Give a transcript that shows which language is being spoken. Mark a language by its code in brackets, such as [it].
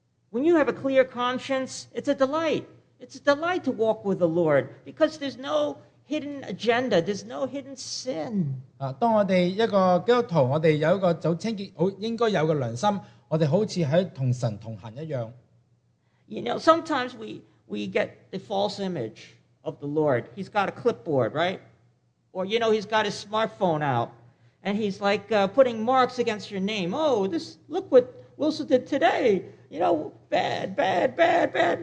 [en] When you have a clear conscience, it's a delight. It's a delight to walk with the Lord because there's no hidden agenda, there's no hidden sin. [zh] 当我们一个基督徒，我们有一个很清洁，应该有的良心，我们好像在同神同行一样。 [en] You know, sometimes we get the false image of the Lord. He's got a clipboard, right? Or, you know, he's got his smartphone out, and he's like putting marks against your name. Oh, this, look what Wilson did today. You know, bad, bad, bad, bad.